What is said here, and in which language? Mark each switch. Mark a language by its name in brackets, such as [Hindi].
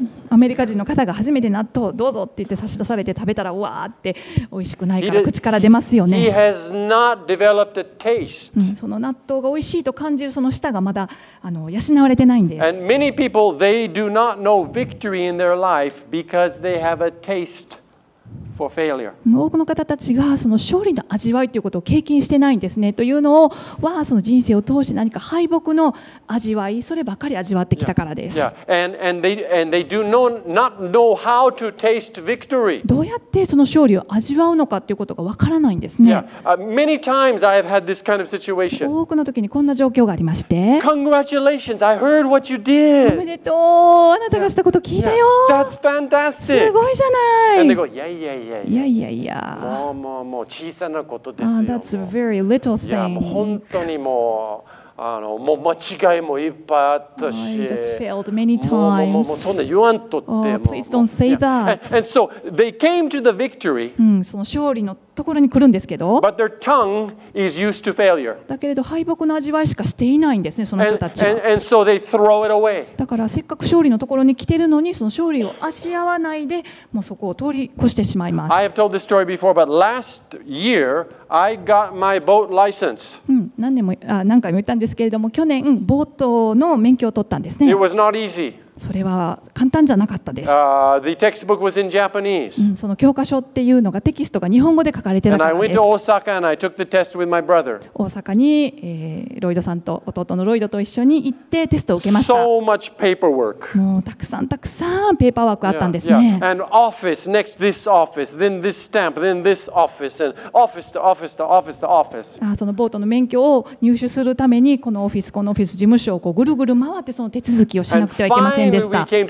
[Japanese] アメリカ人の方が初めて納豆どうぞって言って差し出されて食べたらうわーって美味しくないから口から出ますよね。 [English] He has not developed a taste. [Japanese] その納豆が美味しいと感じるその舌がまだ養われてないんです。 [English] And many people, they do not know victory in their life because they have a taste for failure. [Japanese] 多くの方たちがその勝利の味わいということを経験してないんですね。というのはその人生を通して何か敗北の味わい、そればかり味わってきたからです。 [English] and they do not know how to taste victory. [Japanese] どうやってその勝利を味わうのかということがわからないんですね。 [English] many times I have had this kind of situation. [Japanese] 多くの時にこんな状況がありまして、 [English] Congratulations, I heard what you did. [Japanese] おめでとう、あなたがしたこと聞いたよ。 [English] That's fantastic. [Japanese] すごいじゃない。 [English] And they go, yeah, yeah. [Japanese] いやいやいや、もう小さなことですよ。 [English] That's a very little thing. [Japanese] いや、もう本当にもう、もう間違いもいっぱいあったし、 [English] I just failed many times. [Japanese] もうそんな言わんとって、 [English] Oh, please don't say that. And so they came to the victory. [Japanese] その勝利のところに来るんですけど、 [English] But their tongue is used to failure. [Japanese] だけれど敗北の味わいしかしていないんですね、その人たちは。 [English] And so they throw it away. [Japanese] だからせっかく勝利のところに来てるのに、その勝利を味わわないで、もうそこを通り越してしまいます。 [English] I have told this story before, but last year I got my boat license. [Japanese] 何回も言ったんですけれども、去年ボートの免許を取ったんですね。 [English] It was not easy. [Japanese] それは簡単じゃなかったです。 [English] The textbook was in Japanese. [Japanese] その教科書っていうのがテキストが日本語で書かれてなかったです。 [English] And I went to Osaka and I took the test with my brother. [Japanese] 大阪に、ロイドさんと弟のロイドと一緒に行ってテストを受けました。 [English] So much paperwork. [Japanese] もうたくさんたくさんペーパーワークあったんですね。 [English] Yeah, yeah. And office next this office, then this stamp, then this office, and office to office to office to office. [Japanese] そのボートの免許を入手するためにこのオフィス、このオフィス事務所をこうぐるぐる回ってその手続きをしなくてはいけません。件でした。